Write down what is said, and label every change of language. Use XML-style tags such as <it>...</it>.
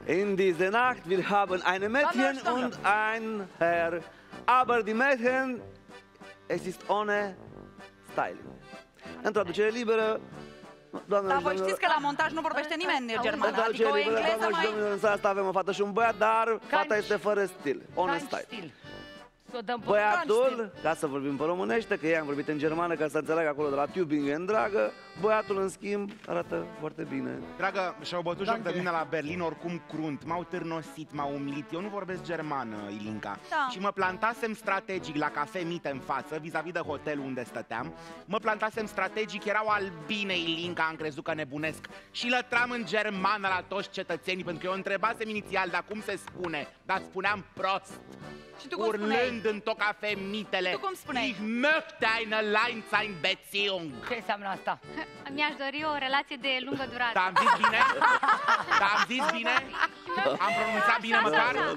<de>in dieser Nacht wir haben ein Mädchen und ein Herr, aber die Mädchen, es ist ohne Styling.</de> <ro>În traducere liberă, doamne, dar vă știți că la montaj nu vorbește nimeni germană, adică o engleză mai... Doamne și domnule, în seara asta avem o fată și un băiat, dar fata este fără stil,</ro> <de>ohne Style.</de> <ro>Băiatul, ca să vorbim pe românește, că ei am vorbit în germană, ca să înțeleagă acolo de la Tübingen, dragă, băiatul, în schimb, arată foarte bine. Dragă, și-au bătut joc de mine la Berlin, oricum crunt, m-au târnosit, m-au umilit, eu nu vorbesc germană, Ilinca. Da. Și mă plantasem strategic la Cafe Mite în față, vis-a-vis de hotelul unde stăteam, mă plantasem strategic, erau albine, Ilinca, am crezut că nebunesc, și lătram în germană la toți cetățenii, pentru că eu întrebasem inițial, dar cum se spune, dar spuneam prost. Și tu cum urlând spuneai? În tot cafe mitele. Tu cum spuneai?</ro> <de>Ich möchte eine Langzeitbeziehung.</de> <ro>Ce înseamnă asta? Mi-aș dori o relație de lungă durată. Am zis bine? Am zis bine? Am pronunțat bine măcar?</ro>